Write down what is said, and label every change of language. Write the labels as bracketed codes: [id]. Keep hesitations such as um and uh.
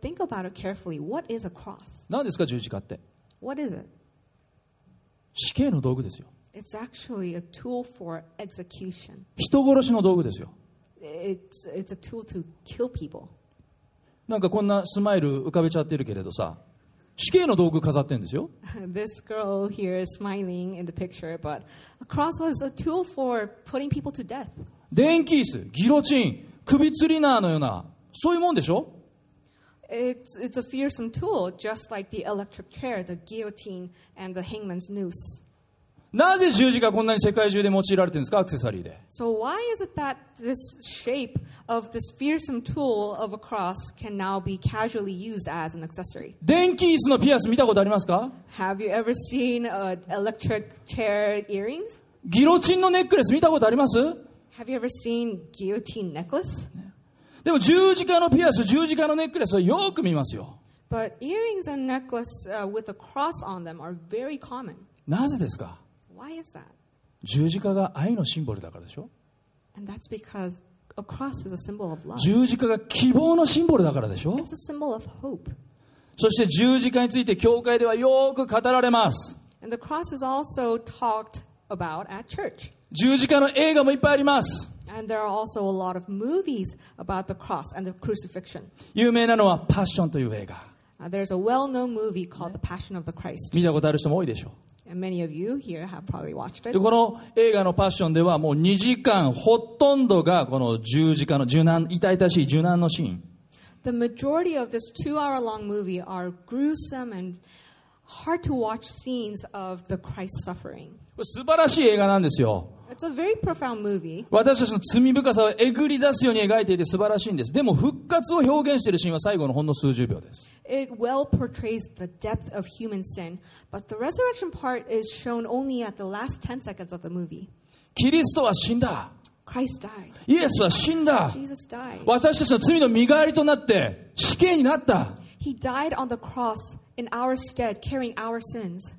[en] think about it carefully. What is a cross? What is it? [ja] 死刑の道具ですよ。 [en] It's actually a tool for execution. [ja] 人殺しの道具ですよ。 [en] It's, it's a tool to kill people. [ja] なんかこんなスマイル浮かべちゃってるけれどさ。死刑の道具飾ってんですよ。 [en] This girl here is smiling in the picture, but a cross was a tool for putting people to death. [ja] 電気椅子、ギロチン、首吊りなのような、そういうもんでしょ [en] It's it's a fearsome tool, just like the electric chair, the guillotine, and the hangman's noose. <S [ja] なぜ十字架こんなに世界中で用いられてるんですかアクセサリーで。 [en] So why is it that this shape of this fearsome tool of a cross can now be casually used as an accessory? [ja] 電気椅子のピアス見たことありますか [en] ?Have you ever seen an electric chair earrings? [ja] ギロチンのネックレス見たことあります [en] ?Have you ever seen guillotine necklace? [ja] でも十字架のピアス、十字架のネックレスはよく見ますよ。 [en] But earrings and necklace with a cross on them are very common. [ja] なぜですか [en] Why is that? [ja] 十字架が愛のシンボルだからでしょ [en] And that's because a cross is a symbol of love. [ja] 十字架が希望のシンボルだからでしょ [en] It's a symbol of hope. [ja] そして十字架について教会ではよく語られます。 [en] And the cross is also talked about at church. [ja] 十字架の映画もいっぱいあります。 [en] And there are also a lot of movies about the cross and the crucifixion. [ja] 有名なのはパッションという映画。 [en] There's a well-known movie called The Passion of the Christ. [ja] 見たことある人も多いでしょう。でこの映画のパッションではもう2時間ほとんどがこの十字架の柔軟痛々しい柔軟のシーン。 [en] The majority of this two hour long movie are gruesome and hard to watch scenes of the Christ suffering. [ja] 素晴らしい映画なんですよ。 [en] It's a very profound movie. [ja] 私たちの罪深さをえぐり出すように描いていて素晴らしいんです。でも復活を表現しているシーンは最後のほんの数十秒です。 [en] It well portrays the depth of human sin, but the resurrection part is shown only at the last 10 seconds of the movie. [ja] キリストは死んだ。 [en] Christ died. [ja] イエスは死んだ。 [en] Jesus died. [ja] 私たちの罪の身代わりとなって死刑になった。 [en] He died on the cross died on in our stead, carrying our sins.